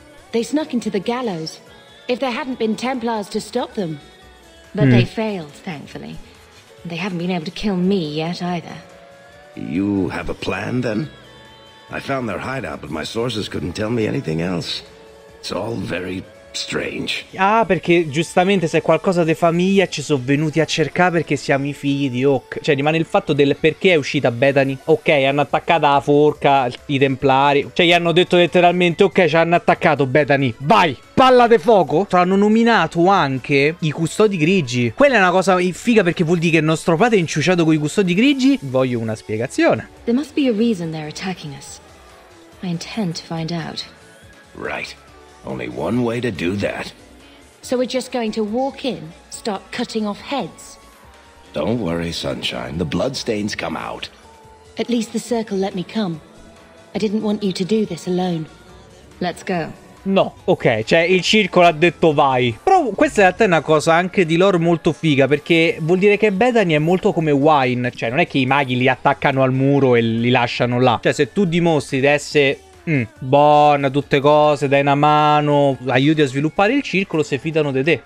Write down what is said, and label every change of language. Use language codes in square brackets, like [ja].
[en] They snuck into the gallows. If there hadn't been Templars to stop them. But they failed, thankfully. They haven't been able to kill me yet, either. You have a plan, then? I found their hideout, but my sources couldn't tell me anything else. It's all very strange. [it] Ah, perché giustamente se qualcosa di famiglia ci sono venuti a cercare perché siamo i figli di Hawk. Cioè, rimane il fatto del perché è uscita Bethany. Ok, hanno attaccato la forca, i templari. Cioè, gli hanno detto letteralmente, ok, ci hanno attaccato Bethany. Vai! Palla de fuoco. Hanno nominato anche i custodi grigi. Quella è una cosa figa perché vuol dire che il nostro padre è inciuciato con i custodi grigi. Voglio una spiegazione. [en] There must be a reason they're attacking us. I intend to find out. Right. Only one way to do that. So we're just going to walk in, start cutting off heads? Don't worry, Sunshine. The bloodstains come out. At least the circle let me come. I didn't want you to do this alone. Let's go. [it] No, ok, cioè il circolo ha detto vai. Però questa in realtà è una cosa anche di lore molto figa, perché vuol dire che Bethany è molto come Wine. Cioè non è che i maghi li attaccano al muro e li lasciano là. Cioè se tu dimostri di essere... buona, tutte cose, dai una mano, aiuti a sviluppare il circolo, se fidano di te.